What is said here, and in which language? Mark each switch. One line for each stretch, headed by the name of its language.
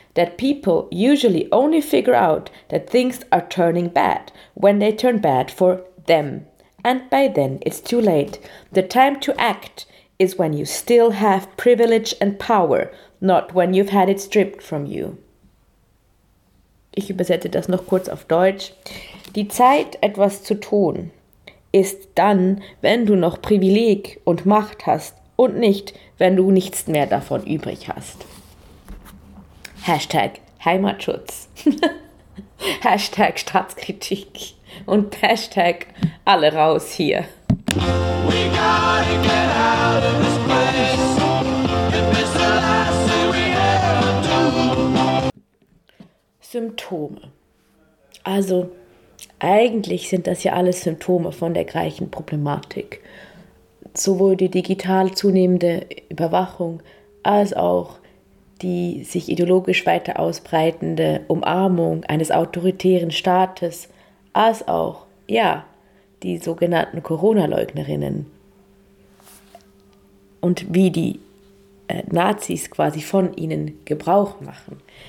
English: that people usually only figure out that things are turning bad when they turn bad for them. And by then it's too late. The time to act is when you still have privilege and power, not when you've had it stripped from you.
German: Ich übersetze das noch kurz auf Deutsch. Die Zeit, etwas zu tun, ist dann, wenn du noch Privileg und Macht hast und nicht, wenn du nichts mehr davon übrig hast. Hashtag Heimatschutz. Hashtag Staatskritik. Und Hashtag alle raus hier.
English: We gotta get out of this place. If it's the last thing we ever do.
German: Symptome. Also, eigentlich sind das ja alles Symptome von der gleichen Problematik. Sowohl die digital zunehmende Überwachung als auch die sich ideologisch weiter ausbreitende Umarmung eines autoritären Staates, als auch, ja, die sogenannten Corona-Leugnerinnen und wie die Nazis quasi von ihnen Gebrauch machen.